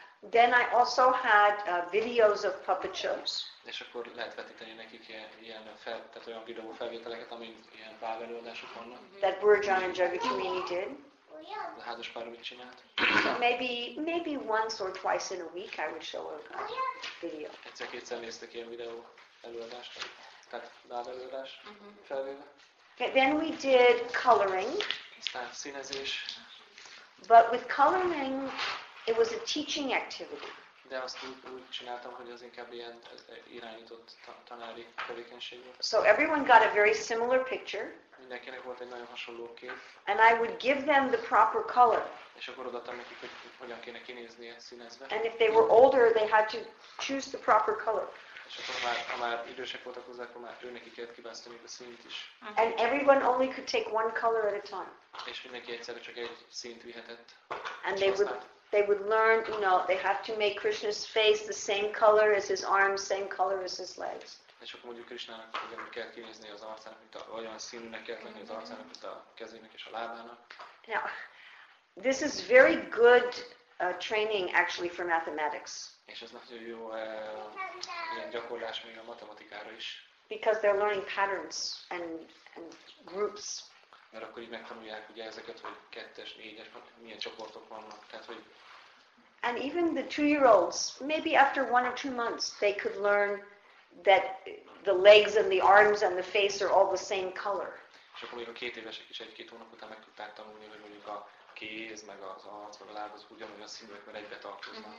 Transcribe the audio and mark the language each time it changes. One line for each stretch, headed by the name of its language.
English: Then I also had videos of puppet shows.
Hungarian: És akkor lehet vetíteni nekik ilyen tehát olyan videó felvételeket, amin ilyen báb előadások vannak.
English: That Burjan and Jagatrimini did.
Hungarian: A házas pár mit csinált?
English: Maybe once or twice in a week I would show a video.
Hungarian: Egyszer-kétszer néztek ilyen videó előadást, tehát báb előadás felvéve.
English: Okay, then we did coloring.
Hungarian: Aztán színezés.
English: But with coloring, it was a teaching activity.
Hungarian: De azt úgy csináltam, hogy az inkább ilyen irányított tanári tevékenység volt.
English: So everyone got a very similar picture.
Hungarian: Mindenkinek volt egy nagyon hasonló kép.
English: And I would give them the proper color.
Hungarian: És akkor odaadtam nekik, hogy hogyan kéne kinézni a színezve.
English: And if they were older, they had to choose the proper color.
Hungarian: És akkor ha már idősek voltak hozzá, akkor már őnek kellett kiválasztani a színt is.
English: And everyone only could take one color at a time.
Hungarian: És mindenki egyszerre csak egy színt vihetett.
English: And they would learn, you know, they have to make Krishna's face the same color as his arms, same color as his legs.
Hungarian: És akkor mondjuk Krishnának ugyanúgy kell kinézni az arcának, mint a, olyan színűnek kell lenni az arcának, mint a kezének és a lábának.
English: Now, this is very good training actually for mathematics.
Hungarian: És ez nagyon jó ilyen gyakorlás még a matematikára is.
English: Because they're learning patterns and groups.
Hungarian: Mert akkor így megtanulják ugye ezeket, hogy kettes, négyes, milyen csoportok vannak. Tehát, hogy
English: and even the two-year-olds, maybe after one or two months, they could learn that the legs and the arms and the face are all the same color.
Hungarian: És akkor még a két évesek is egy-két hónap után meg tudták tanulni, hogy mondjuk a kéz, meg az arc, meg a láb, az ugyanolyan színűek, mert egybe tartoznak.